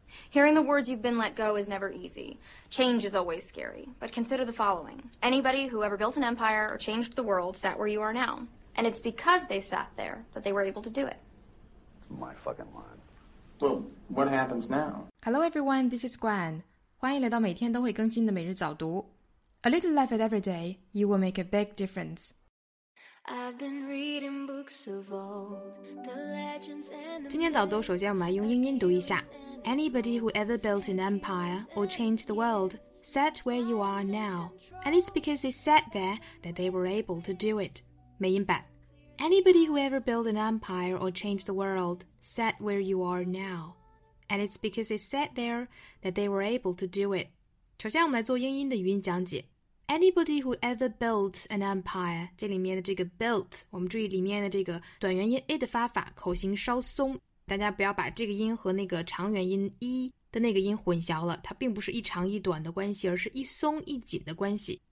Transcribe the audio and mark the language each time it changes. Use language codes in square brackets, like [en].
[en] Hearing the words you've been let go is never easy. Change is always scary. But consider the following. Anybody who ever built an empire or changed the world sat where you are now. And it's because they sat there that they were able to do it. My fucking line. Well, what happens now? Hello everyone, this is Gwen. [zh] 欢迎来到每天都会更新的每日早读。 [en] A little life at every day, you will make a big difference. I've been reading books of old, the legends and the [zh] 今天早读首先我们来用英音读一下。 [en] Anybody who ever built an empire or changed the world sat where you are now. And it's because they sat there that they were able to do it. [zh] 美音版 [en] Anybody who ever built an empire or changed the world sat where you are now. And it's because they sat there that they were able to do it. [zh] 首先我们来做英音的语音讲解。 [en] Anybody who ever built an empire, [zh] 这里面的这个 built, 我们注意里面的这个短元音 a 的发法口型稍松。大家不要把这个音和那个长元音 e 的那个音混淆了，它并不是一长一短的关系，而是一松一紧的关系。